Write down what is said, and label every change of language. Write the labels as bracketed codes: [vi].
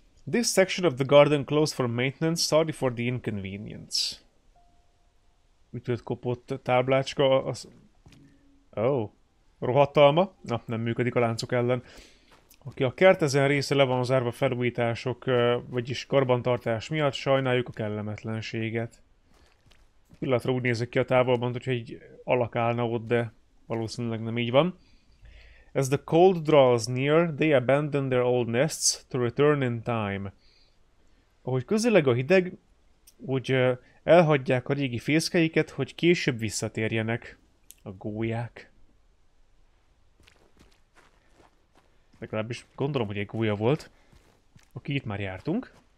[en] This section of the garden closed for maintenance, sorry for the inconvenience. [hu] Ütött kopott táblácska az... Oh. Rohadtalma? Na, nem működik a láncok ellen. Aki a kert ezen része le van zárva felújítások, vagyis karbantartás miatt, sajnáljuk a kellemetlenséget. Pillanatra úgy nézek ki a távolban, hogyha egy alak állna ott, de valószínűleg nem így van. [en] As the cold draws near, they abandon their old nests to return in time. [hu] Ahogy közeleg a hideg, úgy elhagyják a régi fészkeiket, hogy később visszatérjenek a gólyák. Legalábbis gondolom, hogy egy gólya volt, aki itt már jártunk.